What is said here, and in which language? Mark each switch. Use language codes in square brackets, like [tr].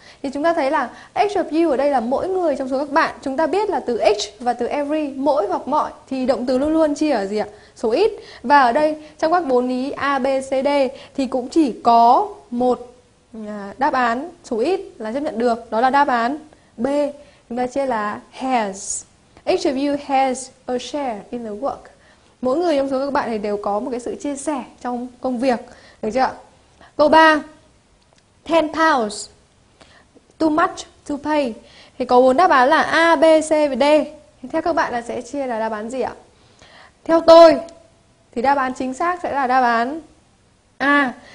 [vi] Thì chúng ta thấy là [en] each of you [vi] ở đây là mỗi người trong số các bạn. Chúng ta biết là từ each và từ every, mỗi hoặc mọi, thì động từ luôn luôn chia ở gì ạ? Số ít. Và ở đây trong các bốn ý A, B, C, D thì cũng chỉ có một đáp án số ít là chấp nhận được, đó là đáp án B. Chúng ta chia là has. [en] Each of you has a share in the work. [vi] Mỗi người trong số các bạn thì đều có một cái sự chia sẻ trong công việc, được chưa? Câu 3, [en] 10 pounds, too much to pay. [vi] Thì có 4 đáp án là A, B, C và D. Theo các bạn là sẽ chia là đáp án gì ạ? Theo tôi thì đáp án chính xác sẽ là đáp án A.